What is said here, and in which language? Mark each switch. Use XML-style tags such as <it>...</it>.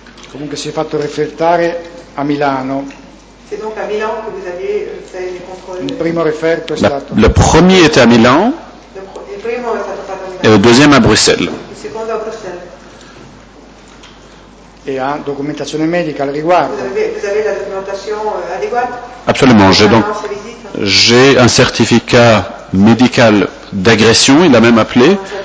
<it>Comunque si è fatto refertare a Milano.</it> <fr>C'est donc à Milan que vous avez fait les contrôles.</fr> <it>Il primo referto è stato.</it> <fr>Le premier était à Milan.</fr> <it>Il primo è stato fatto a Milano.</it> <fr>Et le deuxième à Bruxelles.</fr> <it>Il secondo a Bruxelles. Et a documentazione medica al riguardo.</it> <fr>Vous avez la documentation adéquate? Absolument. J'ai un certificat médical d'agression, il l'a même appelé.</fr>